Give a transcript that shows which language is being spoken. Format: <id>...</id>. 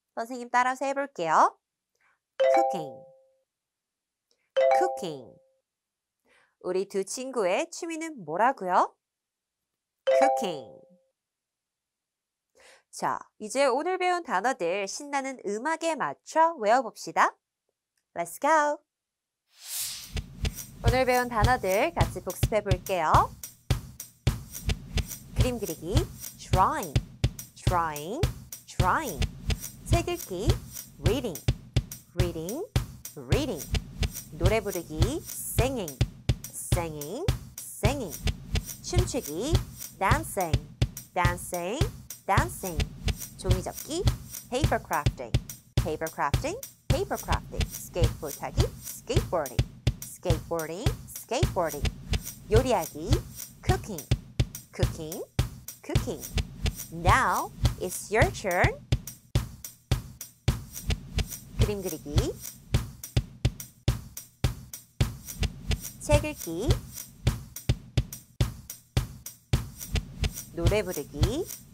<ko>선생님 따라서 해볼게요. cooking cooking 우리 두 친구의 취미는 뭐라고요? cooking 자, 이제 오늘 배운 단어들 신나는 음악에 맞춰 외워봅시다.</ko> <en>Let's go!</en> <ko>오늘 배운 단어들 같이 복습해 볼게요.</ko> <en>그림 그리기 drawing, drawing, drawing 책 읽기 reading, reading, reading 노래 부르기 singing, singing, singing 춤추기 dancing, dancing, dancing 종이 접기, paper crafting, paper crafting, paper crafting. 스케이트보드 타기, skateboarding, skateboarding, skateboarding. 요리하기, cooking, cooking, cooking. Now it's your turn.</en> <ko>그림 그리기, 책 읽기, 노래 부르기.</ko>